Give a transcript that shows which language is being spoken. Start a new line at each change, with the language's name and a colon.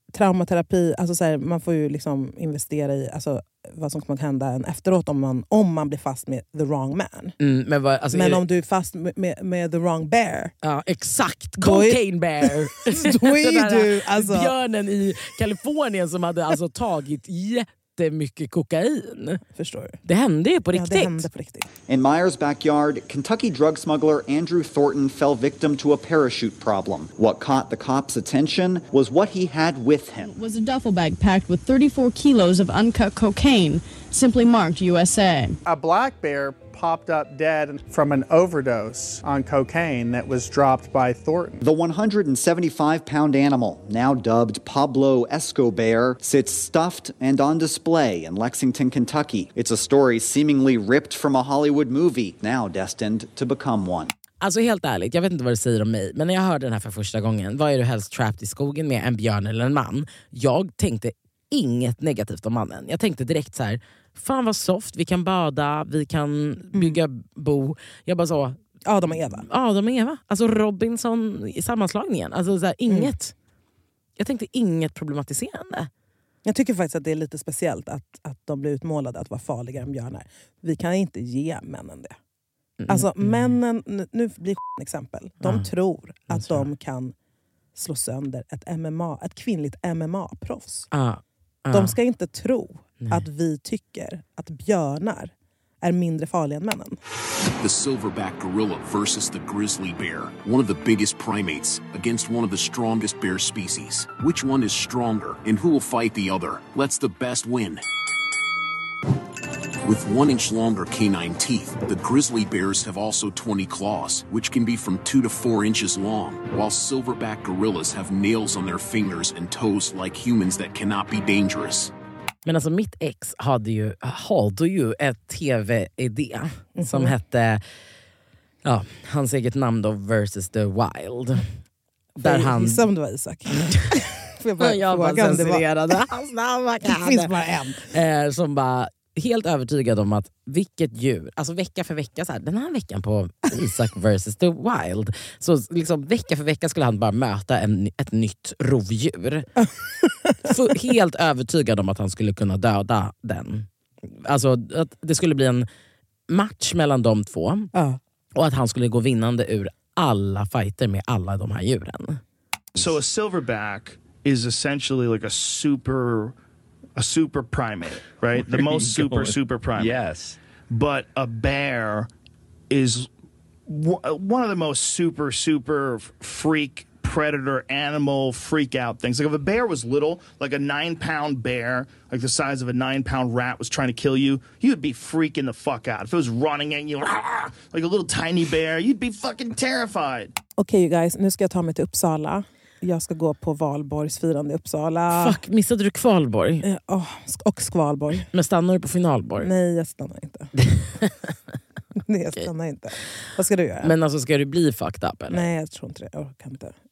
Swedish: Traumaterapi, alltså så här, man får ju liksom investera i alltså, vad som kommer att hända en efteråt om man blir fast med
English: the wrong man.
Swedish: Mm, men vad, alltså, men om du är fast med
English: the wrong bear.
Swedish: Ja, exakt. Cocaine bear. Då är du, alltså... Björnen i Kalifornien som hade alltså tagit jättemycket kokain. Förstår du? Det hände ju på riktigt. Ja, det hände på riktigt.
English: In Meyer's backyard, Kentucky drug smuggler Andrew Thornton fell victim to a parachute problem. What caught the cops' attention was what he had with him. It was a duffel bag packed with 34 kilos of uncut cocaine, simply marked USA. A black bear popped up dead from an overdose on cocaine that was dropped by Thornton. The 175-pound animal, now dubbed Pablo Escobar, sits stuffed and on display in Lexington, Kentucky. It's a story seemingly ripped from a Hollywood movie, now destined to become one.
Swedish: Alltså helt ärligt, jag vet inte vad du säger om mig, men när jag hörde den här för första gången, vad är du helst trapped i skogen med, en björn eller en man? Jag tänkte inget negativt om mannen. Jag tänkte direkt så här, fan vad soft, vi kan bada, vi kan bygga bo. Jag bara sa, Adam och Eva. Adam och Eva. Alltså Robinson i sammanslagningen. Alltså så här, inget. Jag tänkte inget problematiserande. Jag tycker faktiskt att det är lite speciellt att de blir utmålade att vara farligare än björnar. Vi kan inte ge männen det. Alltså männen, nu blir en exempel. De tror att de kan slå sönder ett MMA, ett kvinnligt MMA-proffs. De ska inte tro att vi tycker att björnar är mindre farliga än männen.
English: The silverback gorilla versus the grizzly bear, one of the biggest primates against one of the strongest bear species. Which one is stronger and who will fight the other? Let's the best win. With 1-inch longer canine teeth, the grizzly bears have also 20 claws, which can be from 2 to 4 inches long, while silverback gorillas have nails on their fingers and toes like humans that cannot be dangerous.
Swedish: Men alltså mitt ex hade ju ett tv-idé som hette, ja, hans eget namn då, Versus the Wild. Där han... Gissa om det var Isak. jag bara censurerade hans namn. Det finns bara en. Som bara... helt övertygad om att vilket djur, alltså vecka för vecka, så här, den här veckan på Isaac versus the Wild, så liksom vecka för vecka skulle han bara möta ett nytt rovdjur. Så helt övertygad om att han skulle kunna döda den. Alltså att det skulle bli en match mellan de två. Och att han skulle gå vinnande ur alla fighter med alla de här djuren.
English: So a silverback is essentially like a super... a super primate, right? Where the most super, going? Super primate. Yes. But a bear is one of the most super, super freak predator animal freak out things. Like if a bear was little, like a 9-pound bear, like the size of a 9-pound rat was trying to kill you, you'd be freaking the fuck out. If it was running at you, like a little tiny bear, you'd be fucking terrified. Okay, you guys,
Swedish: nu ska jag ta mig till Uppsala. Jag ska gå på Valborgs firande i Uppsala. Fuck, missade du Kvalborg? Och Skvalborg. Men stannar du på finalborg? Nej, jag stannar inte. Nej, jag stannar okay. inte. Vad ska du göra? Men alltså, ska du bli
English: fucked up
Swedish: eller? Nej, jag tror inte det. Jag kan inte.